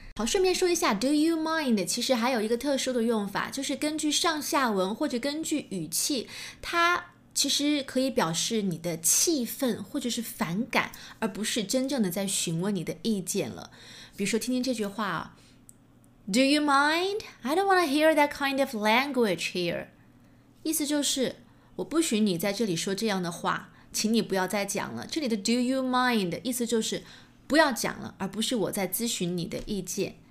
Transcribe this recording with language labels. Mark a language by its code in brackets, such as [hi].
[zh] 好，顺便说一下 [en] do you mind [zh] 其实还有一个特殊的用法，就是根据上下文或者根据语气，它其实可以表示你的气愤或者是反感，而不是真正的在询问你的意见了。比如说听听这句话、哦、 [en] Do you mind? I don't want to hear that kind of language here. [zh] 意思就是我不许你在这里说这样的话，请你不要再讲了。这里的 [en] do you mind [zh] 意思就是不要讲了，而不是我在咨询你的意见。